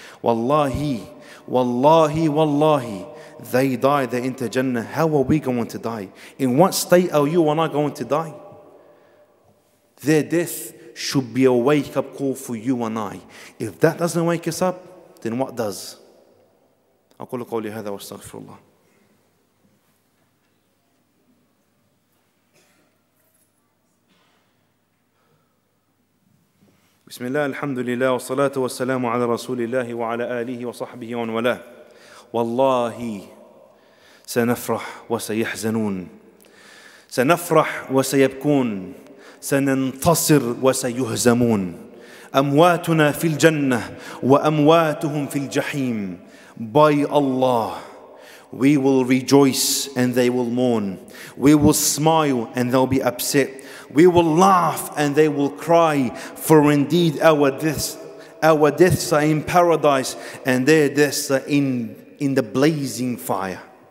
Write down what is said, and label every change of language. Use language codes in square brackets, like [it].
[en] Wallahi, wallahi, wallahi. They die, they enter Jannah. How are we going to die? In what state are you and I going to die? Their death should be a wake-up call for you and I. If that doesn't wake us up, then what does? [ar] أقول قولي هذا واستغفر الله. بسم الله الحمد لله والصلاة والسلام على رسول الله وعلى آله وصحبه ومن والاه. والله سنفرح وسيحزنون, سنفرح وسيبكون, سننتصر وسيهزمون. أمواتنا في الجنة وأمواتهم في الجحيم. [en] By Allah, we will rejoice and they will mourn. We will smile and they'll be upset. We will laugh and they will cry. For indeed our deaths are in paradise and their deaths are in the blazing fire.